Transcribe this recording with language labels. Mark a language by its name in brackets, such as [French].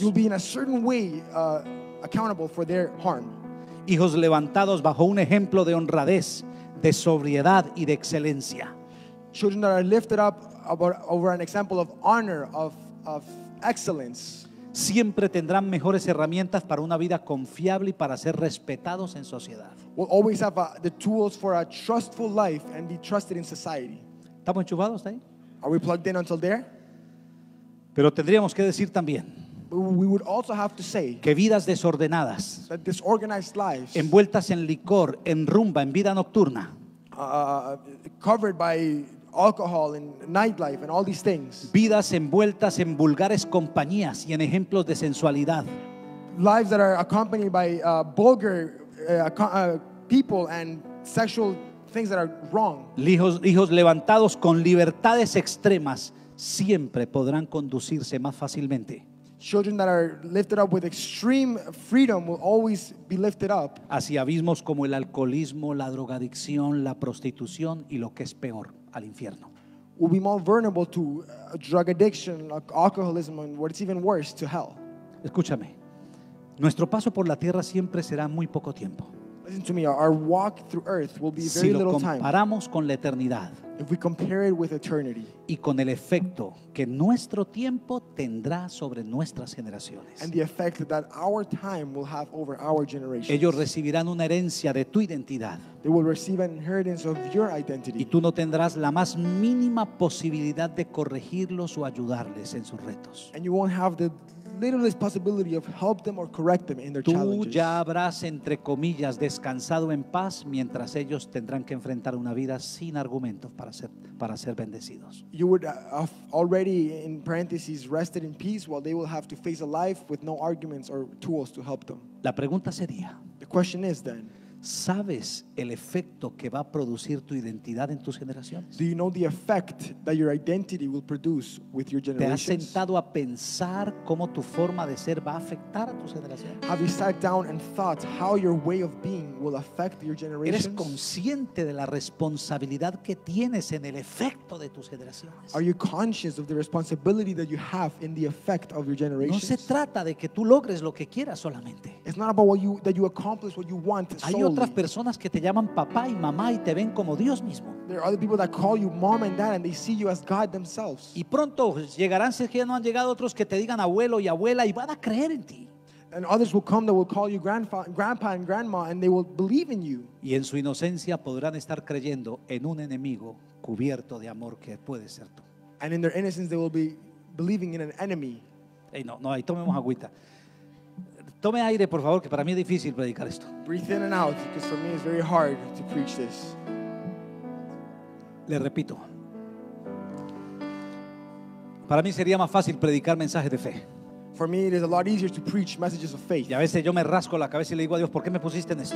[English] You'll be in a certain way accountable for their harm. [Spanish] Hijos levantados bajo un ejemplo de honradez, de sobriedad y de excelencia. [English] Children that are lifted up over an example of honor, of excellence. [Spanish] Siempre tendrán mejores herramientas para una vida confiable y para ser respetados en sociedad. [English] We'll always have the tools for a trustful life and be trusted in society. [Spanish] ¿Estamos enchufados ahí? [English] Are we plugged in until there? [Spanish] Pero tendríamos que decir también. [English] We would also have to say [Spanish] que vidas desordenadas, [English] that disorganized lives, [Spanish] envueltas en licor, en rumba, en vida nocturna, [English] covered by alcohol and nightlife and all these things, [Spanish] vidas envueltas en vulgares compañías y en ejemplos de sensualidad, [English] lives that are accompanied by vulgar people and sexual things that are wrong, [Spanish] hijos levantados con libertades extremas siempre podrán conducirse más fácilmente. [English] Children that are lifted up with extreme freedom will always be lifted up. [Spanish] Hacia abismos como el alcoholismo, la drogadicción, la prostitución y lo que es peor, al infierno. [English] Will be more vulnerable to drug addiction, like alcoholism, and what's even worse, to hell. [Spanish] Escúchame, nuestro paso por la tierra siempre será muy poco tiempo. [English] Listen to me, our walk through earth will be very little time. [Spanish] Si lo comparamos con la eternidad. [English] If we compare it with eternity, [Spanish] y con el efecto que nuestro tiempo tendrá sobre nuestras generaciones, [English] and the effect that our time will have over our generations, [Spanish] ellos recibirán una herencia de tu identidad, [English] they will receive an inheritance of your identity, [Spanish] y tú no tendrás la más mínima posibilidad de corregirlos o ayudarles en sus retos, [English] and you won't have the littlest possibility of help them or correct them in their [Spanish] tú [English] challenges. [Spanish] Tú ya habrás entre comillas descansado en paz mientras ellos tendrán que enfrentar una vida sin argumentos para ser bendecidos. [English] You would have already in parentheses rested in peace while they will have to face a life with no arguments or tools to help them. [Spanish] La pregunta sería, [English] the question is then, [Spanish] ¿sabes el efecto que va a producir tu identidad en tus generaciones? [English] Do you know the effect that your identity will produce with your generations? [Spanish] ¿Te has sentado a pensar cómo tu forma de ser va a afectar a tus generaciones? [English] Have you sat down and thought how your way of being will affect your generations? [Spanish] ¿Eres consciente de la responsabilidad que tienes en el efecto de tus generaciones? [English] Are you conscious of the responsibility that you have in the effect of your generations? [Spanish] No se trata de que tú logres lo que quieras solamente. [English] It's not about that you accomplish what you want solely. [Spanish] Hay otras personas que te llaman papá y mamá y te ven como Dios mismo. [English] There are other people that call you mom and dad and they see you as God themselves. [Spanish] Y pronto llegarán, si es que ya no han llegado, otros que te digan abuelo y abuela y van a creer en ti. [English] And others will come that will call you grandpa and grandma and they will believe in you. [Spanish] Y en su inocencia podrán estar creyendo en un enemigo cubierto de amor que puede ser tú. [English] And in their innocence they will be believing in an enemy. [Spanish] Hey, no, ahí tomemos agüita. Tome aire, por favor, que para mí es difícil predicar esto. [English] Breathe in and out, because for me it's very hard to preach this. [Spanish] Le repito. Para mí sería más fácil predicar mensajes de fe. [English] For me it is a lot easier to preach messages of faith. [Spanish] Y a veces yo me rasco la cabeza y le digo a Dios, ¿por qué me pusiste en esto?